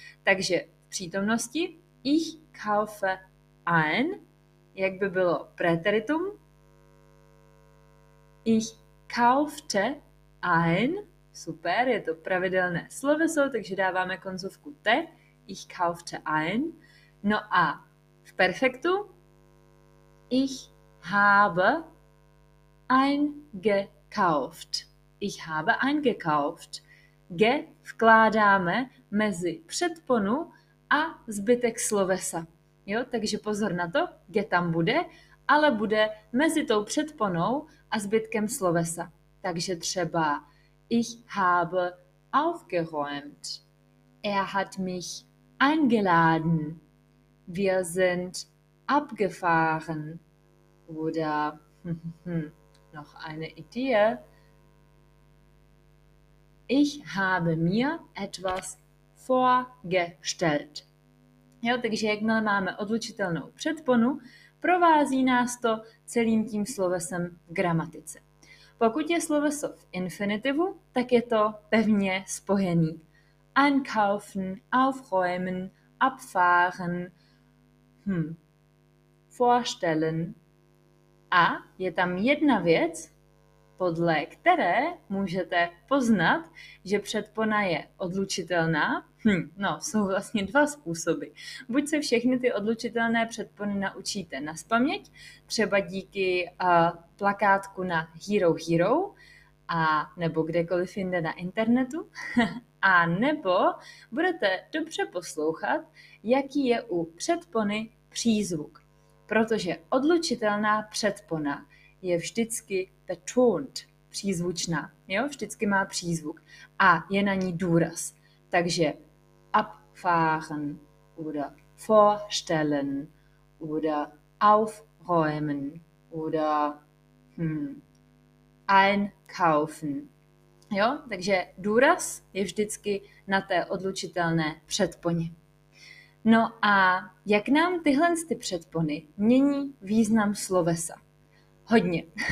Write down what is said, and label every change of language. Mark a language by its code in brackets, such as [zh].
[cs] Takže v přítomnosti [de] ich kaufe ein, [cs] jak by bylo preteritum, [de] ich kaufte ein, [cs] super, je to pravidelné sloveso, takže dáváme koncovku te, [de] ich kaufte ein, [cs] no a v perfektu, [de] ich habe eingekauft. Ich habe eingekauft. [cs] Ge vkládáme mezi předponu a zbytek slovesa. Jo? Takže pozor na to, ge tam bude, ale bude mezi tou předponou a zbytkem slovesa. Takže třeba [de] ich habe aufgeräumt. Er hat mich eingeladen. Wir sind abgefahren. Oder noch eine Idee. Ich habe mir etwas vorgestellt. [cs] Jo, takže jakmile máme odlučitelnou předponu, provází nás to celým tím slovesem v gramatice. Pokud je sloveso v infinitivu, tak je to pevně spojený. Einkaufen, aufräumen, abfahren, [de] Vorstellen. [cs] A je tam jedna věc, podle které můžete poznat, že předpona je odlučitelná. No, jsou vlastně dva způsoby. Buď se všechny ty odlučitelné předpony naučíte nazpaměť, třeba díky plakátku na Hero Hero, a nebo kdekoliv jinde na internetu, a nebo budete dobře poslouchat, jaký je u předpony přízvuk. Protože odlučitelná předpona je vždycky betont, přízvučná, jo? Vždycky má přízvuk a je na ní důraz. Takže [de] abfahren oder vorstellen oder aufräumen oder einkaufen. [cs] Jo? Takže důraz je vždycky na té odlučitelné předponě. No a jak nám tyhle ty předpony mění význam slovesa? Hodně.